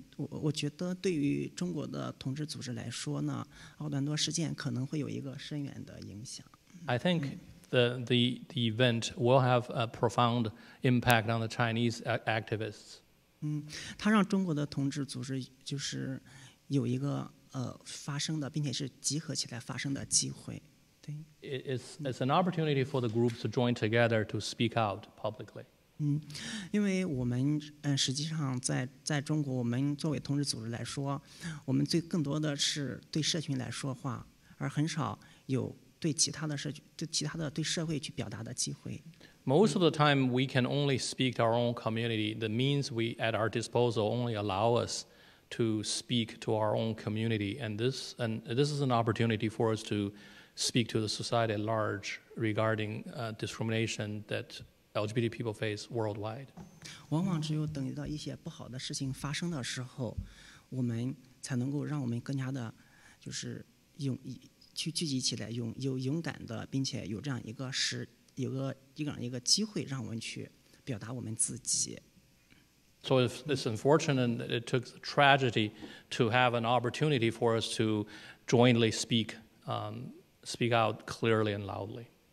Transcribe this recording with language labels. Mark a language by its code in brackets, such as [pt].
[zh] 我觉得对于中国的同志组织来说呢, 奥兰多事件可能会有一个深远的影响。 [en] I think the event will have a profound impact on the Chinese activists. [zh] 它让中国的同志组织就是有一个发声的，并且是集合起来发声的机会。对， [en] it's an opportunity for the groups to join together to speak out publicly. [zh] 因为我们实际上在中国，我们作为同志组织来说，我们最更多的是对社群来说话，而很少有对其他的社群、对其他的对社会去表达的机会。 [en] Most of the time, we can only speak to our own community. The means we at our disposal only allow us to speak to our own community. And this is an opportunity for us to speak to the society at large regarding discrimination that LGBT people face worldwide. [zh] 往往只有等到一些不好的事情发生的时候, 我们才能够让我们更加的就是聚集起来有勇敢的并且有这样一个机会让我们去表达我们自己。 [en] So it's unfortunate that it took a tragedy to have an opportunity for us to jointly speak out clearly and loudly.